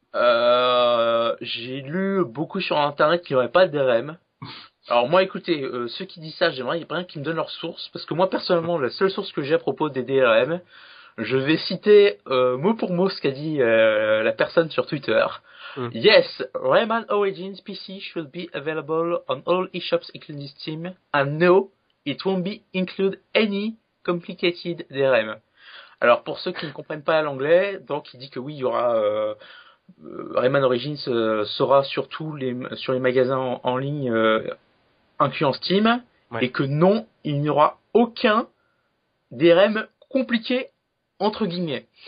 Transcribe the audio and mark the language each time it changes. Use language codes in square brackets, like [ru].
[fr] J'ai lu beaucoup sur internet qu'il n'y aurait pas de DRM. Alors moi, écoutez, ceux qui disent ça, j'aimerais bien qu'ils me donnent leur source, parce que moi, personnellement, la seule source que j'ai à propos des DRM, je vais citer mot pour mot ce qu'a dit la personne sur Twitter. [en] Yes, Rayman Origins PC should be available on all eShops including Steam, and no, it won't be include any complicated DRM. [fr] Alors pour ceux qui ne comprennent pas l'anglais, donc il dit que oui, il y aura Rayman Origins sera sur tous les sur les magasins en ligne incluant Steam, et que non, il n'y aura aucun DRM compliqué entre guillemets.